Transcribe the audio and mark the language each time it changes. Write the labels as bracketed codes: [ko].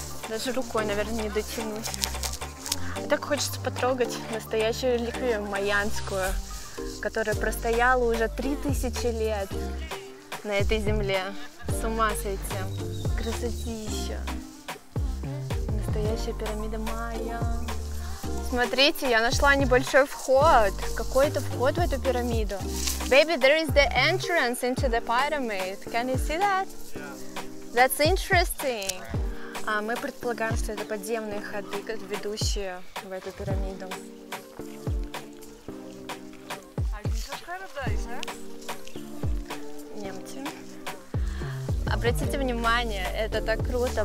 [ru] Даже рукой, наверное, не дотянусь. Так хочется потрогать настоящую реликвию майянскую, которая простояла уже 3000 лет на этой земле. С ума сойти. Красотища. Настоящая пирамида Майя. Смотрите, я нашла небольшой вход. Какой это вход в эту пирамиду? [en] Baby, there is the entrance into the pyramid. Can you see that? That's interesting. [ru] А мы предполагаем, что это подземные ходы, ведущие в эту пирамиду. Немцы. Обратите внимание, это так круто.